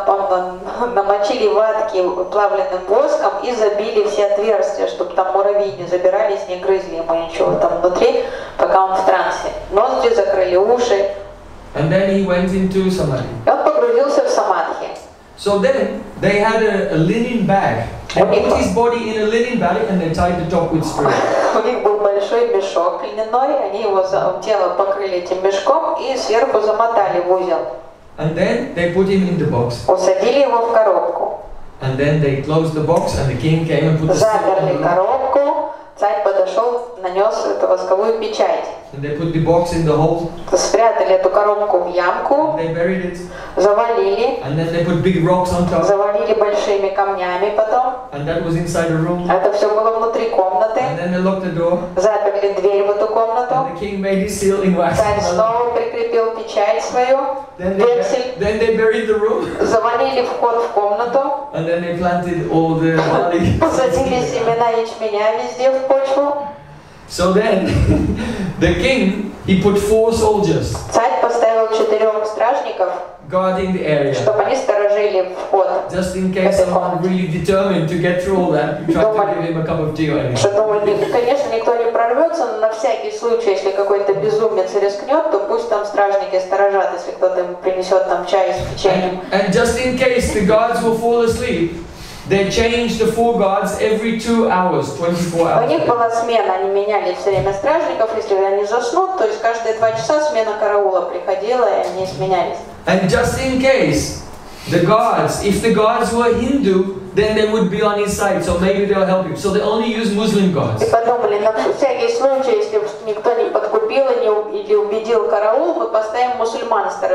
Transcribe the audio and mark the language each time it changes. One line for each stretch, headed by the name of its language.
Russian: намочили ватки плавленным воском и забили все отверстия, чтобы там муравьи не забирались, не грызли ему ничего там внутри, пока он в трансе. Ноздри закрыли, уши.
English: And then he went into samadhi.
Russian: И он погрузился в самадхи.
English: So then they had a linen bag. They put his body in a linen bag and they tied the top with string.
Russian: У них был большой мешок льняной, они его тело покрыли этим мешком и сверху замотали в узел.
English: And then they put him in the box.
Russian: Усадили его в коробку.
English: And then they closed the box and the king came and put the stick on the
Russian: Заперли коробку, царь подошел, нанес эту восковую печать.
English: And they put the box in the hole.
Russian: Спрятали эту коробку в ямку.
English: And they buried it.
Russian: Завалили.
English: And then they put big rocks on top.
Russian: Завалили большими камнями потом.
English: And that was inside the room.
Russian: Это все было внутри комнаты.
English: And then they locked the door.
Russian: Заперли дверь в эту комнату.
English: And the king made his seal in wax.
Russian: Царь снова прикрепил печать свою.
English: Then they buried the room.
Russian: Завалили вход в комнату.
English: And then they planted all the barley.
Russian: Посадили семена ячменя везде в почву.
English: So then the king he put four soldiers.
Russian: Царь поставил четырех стражников.
English: Guarding the area.
Russian: Чтобы они сторожили вход.
English: Just in case someone really determined to get through all that, you try to give him a cup of tea.
Russian: Конечно, никто не прорвется, но на всякий случай, если какой-то безумец рискнет, то пусть там стражники сторожат, если кто-то ему принесет там чай с печеньем.
English: And just in case the guards will fall asleep, they change the four guards every 2 hours, 24 hours.
Russian: У них была смена, они меняли все время стражников, если они заснут, то есть каждые 2 часа смена караула приходила, и они сменялись.
English: And just in case, the guards, if the guards were Hindu, then they would be on his side, so maybe they'll help you. So they only use Muslim guards.
Russian: И подумали, на всякий случай, если никто не подкупил или убедил караул, мы поставим мусульман